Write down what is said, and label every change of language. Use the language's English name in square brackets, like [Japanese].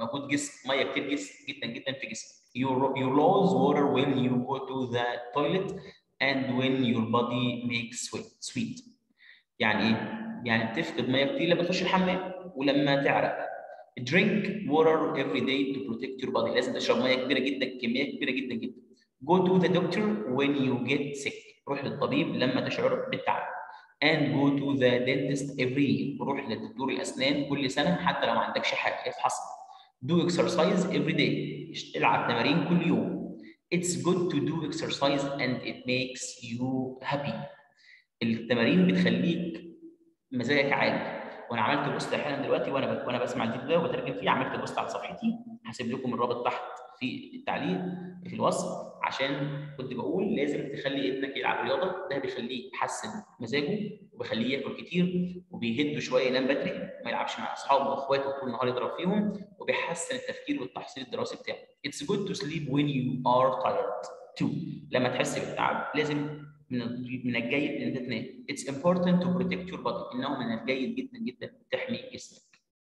[Arabic] موجود جسم ميه كتير جدا جدا في جسم. [English] You lose water when you go to the toilet and when your body makes sweat. [Arabic] يعني ايه؟ يعني بتفقد ميه كتير لما تخش الحمام ولما تعرق. [English] Drink water every day to protect your body. [Arabic] لازم تشرب ميه كبيره جدا، كميه كبيره جدا جدا. [English] Go to the doctor when you get sick. [Arabic] روح للطبيب لما تشعر بالتعب. [English] And go to the dentist every year. [Arabic] روح لدكتور الاسنان كل سنه حتى لو ما عندكش حاجه، افحص. [English] Do exercise every day. [Arabic] العب تمارين كل يوم. [English] It's good to do exercise and it makes you happy. [Arabic] التمارين بتخليك مزاجك عالي. وانا عملت بوست احيانا دلوقتي وانا بسمع الفيديو ده وبترجم فيه، عملت بوست على صفحتي، هسيب لكم الرابط تحت في التعليق في الوصف، عشان كنت بقول لازم تخلي ابنك يلعب رياضه. ده بيخليه يحسن مزاجه وبيخليه ياكل كتير وبيهده شويه ينام بدري وما يلعبش مع اصحابه واخواته طول النهار يضرب فيهم، وبيحسن التفكير والتحصيل الدراسي بتاعه. [English] It's good to sleep when you are tired too. [Arabic] لما تحس بالتعب لازم من الجيد ان انت تنام. [English] It's important to protect your body. [Arabic] انه من الجيد جدا جدا تحمي جسمك.